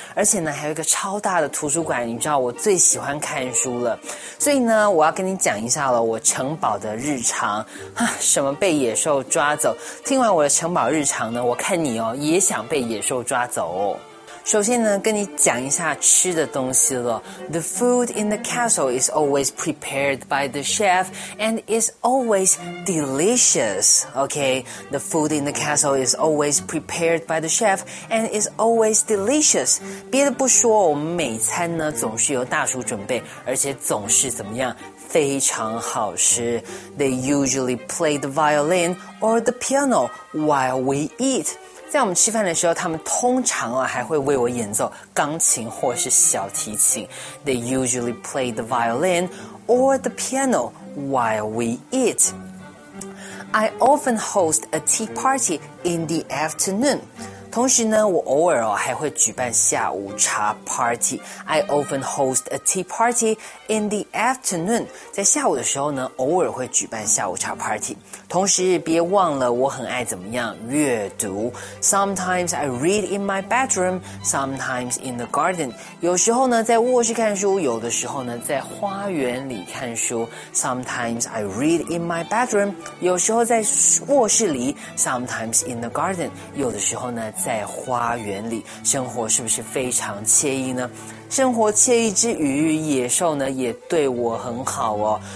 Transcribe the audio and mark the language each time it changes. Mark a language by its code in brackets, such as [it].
[zh] 而且呢还有一个超大的图书馆，你知道我最喜欢看书了。所以呢我要跟你讲一下了我城堡的日常。什么被野兽抓走，听完我的城堡日常呢，我看你哦也想被野兽抓走哦。首先呢跟你讲一下吃的东西了。 [en] The food in the castle is always prepared by the chef and is always delicious. Okay, the food in the castle is always prepared by the chef and is always delicious. [zh] 别的不说，我们每餐呢总是由大厨准备，而且总是怎么样，非常好吃。 [en] They usually play the violin or the piano while we eat. [zh] 在我们吃饭的时候，他们通常啊还会为我演奏钢琴或是小提琴。 [en] They usually play the violin or the piano while we eat. I often host a tea party in the afternoon. [zh] 同时呢，我偶尔哦还会举办下午茶 party. [en] I often host a tea party in the afternoon. [zh] 在下午的时候呢，偶尔会举办下午茶 party. 同时别忘了我很爱怎么样阅读。 [en] Sometimes I read in my bedroom, sometimes in the garden. [zh] 有时候呢在卧室看书，有的时候呢在花园里看书。 [en] Sometimes I read in my bedroom, [zh] 有时候在卧室里。 [en] Sometimes in the garden, [zh] 有的时候呢在花园里。生活是不是非常惬意呢？生活惬意之余，野兽呢也对我很好哦。